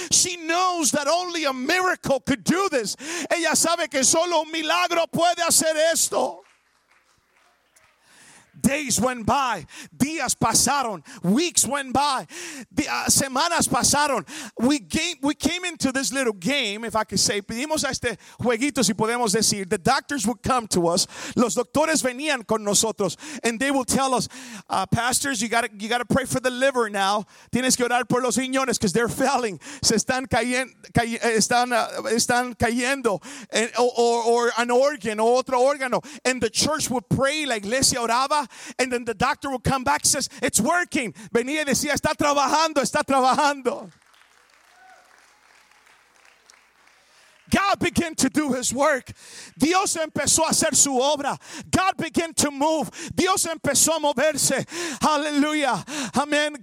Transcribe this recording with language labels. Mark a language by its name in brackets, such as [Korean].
[English] She knows that only a miracle could do this. [Spanish] Ella sabe que solo un milagro puede hacer esto. [English] Days went by, [Spanish] días pasaron, [English] weeks went by, [Spanish] semanas pasaron. [English] We came into this little game, if I could say. [Spanish] Pedimos a este jueguito, si podemos decir. [English] The doctors would come to us. [Spanish] Los doctores venían con nosotros, [English] and they would tell us, pastors, you gotta pray for the liver now. [Spanish] Tienes que orar por los riñones [English] because they're failing. [Spanish] Se están cayendo, [English] or an organ, [Spanish] or otro órgano. [English] And the church would pray, [Spanish] la iglesia oraba. [English] And then the doctor would come back and says, it's working. [Spanish] Venía y decía, está trabajando, está trabajando. [English] God began to do his work. [Spanish] Dios empezó a hacer su obra. [English] God began to move. [Spanish] Dios empezó a moverse. [English] Hallelujah. Amen.